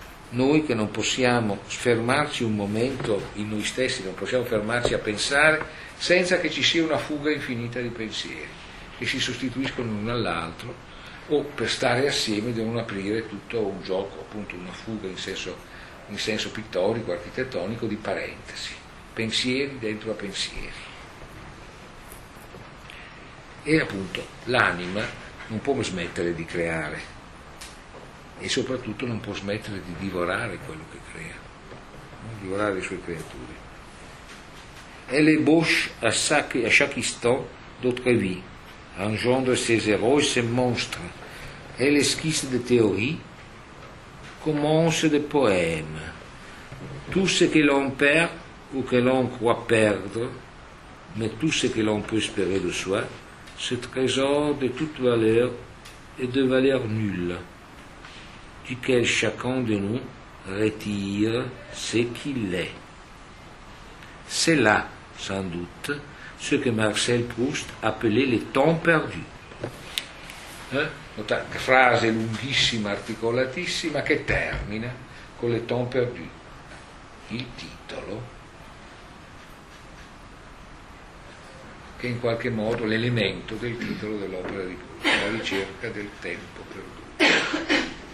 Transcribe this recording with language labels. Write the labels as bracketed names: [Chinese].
[Italian] Noi che non possiamo fermarci un momento in noi stessi, non possiamo fermarci a pensare senza che ci sia una fuga infinita di pensieri che si sostituiscono l'uno all'altro, o per stare assieme devono aprire tutto un gioco, appunto una fuga in senso pittorico, architettonico, di parentesi, pensieri dentro a pensieri. E appunto l'anima non può smettere di creare e soprattutto non può smettere di divorare quello che crea, non divorare le sue creature. [French] Elle bouche à chaque instant d'autres vies, engendre ses héros et ses monstres. Elle esquisse des théories, commence des poèmes. Tout ce que l'on perd ou que l'on croit perdre, mais tout ce que l'on peut espérer de soi, ce trésor de toute valeur et de valeur nulle, duquel chacun de nous retire ce qu'il est. C'est là, sans doute, ce que Marcel Proust appelait le temps perdu. [Italian] Una frase lunghissima, articolatissima, che termina con le temps perdu. Il titolo, che in qualche modo l'elemento del titolo dell'opera di Proust, la ricerca del tempo perduto.